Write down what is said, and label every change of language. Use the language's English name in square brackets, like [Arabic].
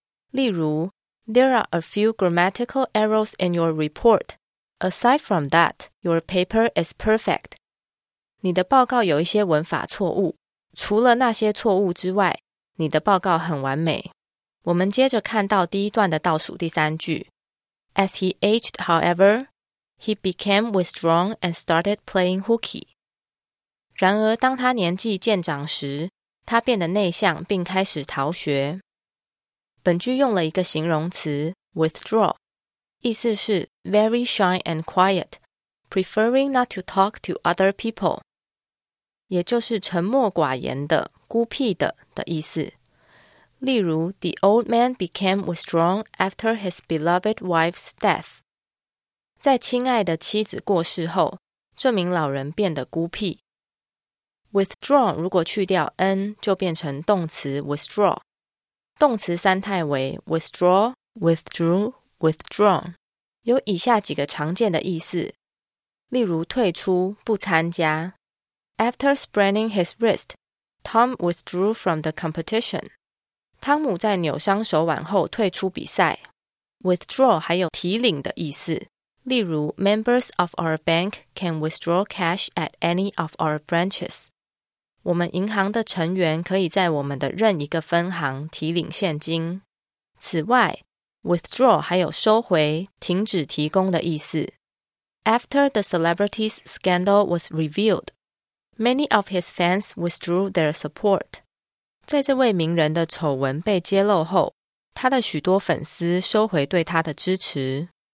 [Chinese] 例如 [English] There are a few grammatical errors in your report. Aside from that, your paper is perfect. [Chinese] 你的报告有一些文法错误，除了那些错误之外，你的报告很完美。我们接着看到第一段的倒数第三句。 [English] As he aged, however, he became withdrawn and started playing hooky. [Chinese] 然而当他年纪渐长时，他变得内向并开始逃学。本句用了一个形容词 withdraw， 意思是 [English] very shy and quiet, preferring not to talk to other people. [Chinese] 也就是沉默寡言的、孤僻的的意思。例如 [English] ,The old man became withdrawn after his beloved wife's death. [Chinese] 在亲爱的妻子过世后，这名老人变得孤僻。 Withdrawn 如果去掉 n, 就变成动词 withdraw。动词三态为 withdraw, withdrew, withdrawn。有以下几个常见的意思。例如退出、不参加。 [English] After spraining his wrist, Tom withdrew from the competition. [Chinese] 汤姆在扭伤手腕后退出比赛。 Withdraw 还有提领的意思。例如 [English] ,Members of our bank can withdraw cash at any of our branches. [Chinese] 我们银行的成员可以在我们的任一个分行提领现金。此外 ,Withdraw 还有收回、停止提供的意思。 [English] After the celebrity's scandal was revealed, many of his fans withdrew their support. [Chinese] 在这位名人的丑闻被揭露后，他的许多粉丝收回对他的支持。